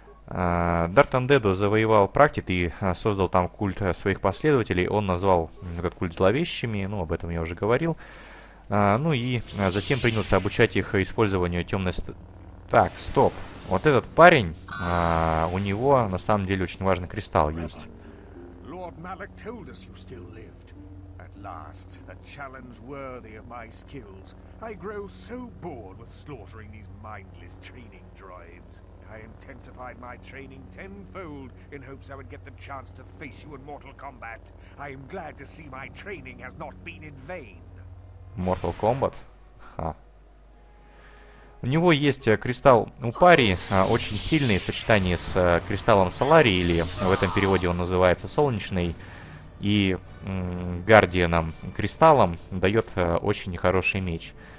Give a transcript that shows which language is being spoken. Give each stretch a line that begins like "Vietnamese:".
Russian: Дарт Андеду завоевал практик и создал там культ своих последователей. Он назвал этот культ зловещими, ну об этом я уже говорил. Ну и затем принялся обучать их использованию темной... Так, стоп. Вот этот парень, у него на самом деле очень важный кристалл есть. Лорд
English: Malak told us you still lived. At last, a challenge worthy of my skills. I grow so bored with slaughtering these mindless training droids. I intensified my training tenfold in hopes I would get the chance to face you in Mortal Kombat. I am glad to see my training has not been in vain.
Russian: Mortal Kombat? Ха. У него есть кристалл Упари, очень сильный в сочетании с кристаллом Солари, или в этом переводе он называется Солнечный, и Гардианом кристаллом дает очень хороший меч.